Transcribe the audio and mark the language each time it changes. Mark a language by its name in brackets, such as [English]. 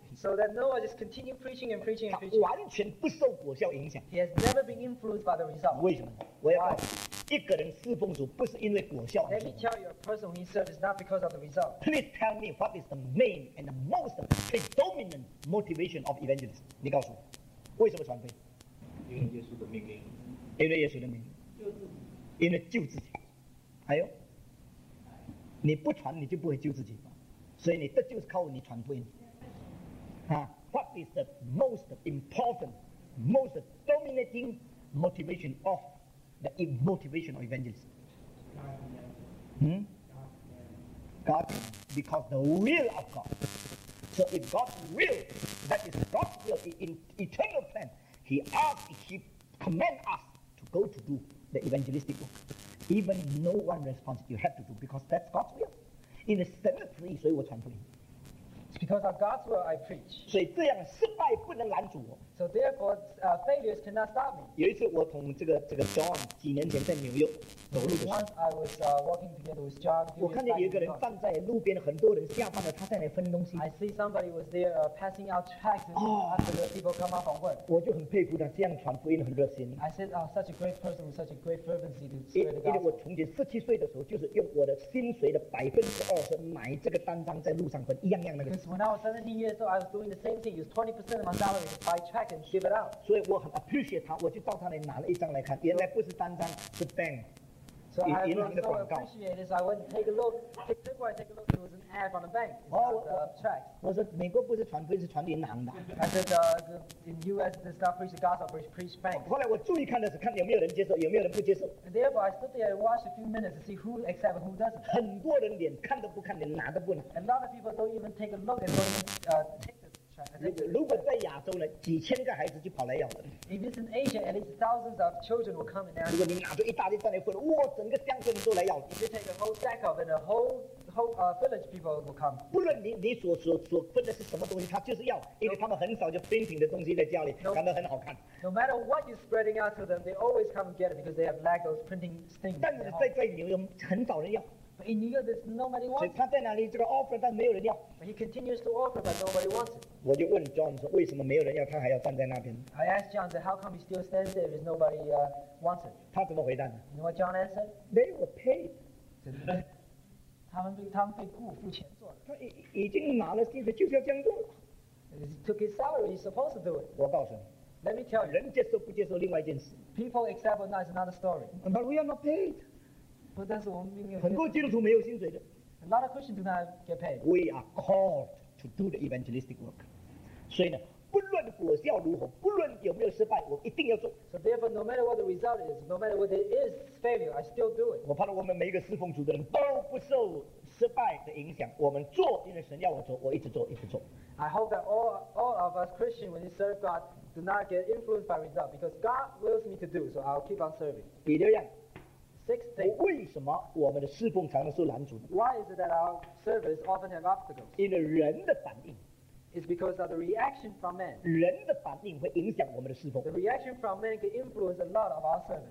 [English] So that Noah just continued preaching and preaching and preaching. [Chinese] 完全不受果效影响。 [English] He has never been influenced by the result. [Chinese] 为什么？我要告诉你，一个人侍奉主不是因为果效。 [English] Let me tell you, a person who serves not because of the result. Please tell me what is the main and the most predominant motivation of evangelists. [Chinese] 你告诉我，为什么传福音？因为耶稣的命令。因为耶稣的命令。因为救自己。还有，你不传，你就不会救自己。所以你得救是靠你传福音。 [English] What is the most important, most dominating motivation of the motivation of evangelists? God, because the will of God. So if God's will, that is God's will, in eternal plan, He asks, He commands us to go to do the evangelistic work. Even no one responds, you have to do, because that's God's will. In the cemetery, so I preach. It's because of God's will I preach. So, [Chinese] 这样失败不能拦阻我。 [English] So, therefore, failures cannot stop me. [Chinese] 有一次我同这个 John 几年前在纽约走路的时候。 [English] Once I was walking together with John. [Chinese] 我看见有一个人放在路边，很多人下班了，他在那分东西。 [English] I see somebody was there passing out tracts after the people come out from work. [Chinese] 我就很佩服他这样传福音很热心。 [English] I said, such a great person with such a great fervency to spread the gospel. [Chinese] 因为我从前17岁的时候，就是用我的薪水的20%买这个单张在路上分，一样样那个。 [English] Because when I was 17 years old, I was doing the same thing. Use 20% of my salary to buy tracts and ship it out. [Chinese] 所以我很 [English] appreciate [Chinese] 他，我就到他那里拿了一张来看，原来不是单张，是 bank。 [English] So I was so appreciate this. I went and take a look. Take a look. It was an ad from the bank. Tracts. [Chinese] 我说美国不是传福音，是传银行的。 [English] I said, in U.S. the stuff preach the gospel, preach bank. [Chinese] 后来我注意看的是看有没有人接受，有没有人不接受。 [English] And therefore, I stood there and watched a few minutes to see who accepts and who doesn't. [Chinese] 很多人连看都不看，连拿都不拿。 [English] A lot of people don't even take a look and don't take the tract. [Chinese] 如果在亚洲呢，几千个孩子就跑来要了。 [English] If it's in Asia, at least thousands of children will come and ask. [Chinese] 如果你拿着一大堆在那分，哇，整个乡村都来要了。 [English] If you take a whole stack of and a whole village people will come. [Chinese] 不论你所分的是什么东西，他就是要，因为他们很少就冰品的东西在家里，感到很好看。 [English] No matter what you're spreading out to them, they always come and get it because they have lack those printing things. [Chinese] 但是在纽约很少人要。 [English] But in New York, there's nobody wants. [Chinese] 他在哪里这个 [English] offer， [Chinese] 但没有人要。 [English] But he continues to offer, but nobody wants it. [Chinese] 我就问 John 说，为什么没有人要，他还要站在那边 [English] ？I asked John, how come he still stands there if nobody wants it? [Chinese] 他怎么回答呢 [English] ？You know what John answered? They were paid. [Chinese] 他们被付钱做的。他已经拿了薪水，就是要这样做。 [English] He took his salary, he's supposed to do it. [Chinese] 我告诉你。 [English] Let me tell you. [Chinese] 人接受不接受另外一件事。 [English] People accept or not is another story. But we are not paid. But [Chinese] 但是我们并没有。很多基督徒没有薪水的。 [English] A lot of Christians do not get paid. We are called to do the evangelistic work. [Chinese] 所以呢，不论果效如何，不论有没有失败，我一定要做。 [English] So therefore, no matter what the result is, no matter what it is failure, I still do it. [Chinese] 我怕我们每一个侍奉主的人都不受失败的影响，我们做，因为神要我做，我一直做，一直做。 [English] I hope that all of us Christians, when we serve God, do not get influenced by result, because God wills me to do, so I'll keep on serving. [Chinese] 第六样。 [English] Sixth thing, [Chinese] 为什么我们的侍奉常常受拦阻 [English] ？Why is it that our service often have obstacles? [Chinese] 因为人的反应。 [English] It's because of the reaction from men. [Chinese] 人的反应会影响我们的侍奉。 [English] The reaction from men can influence a lot of our service.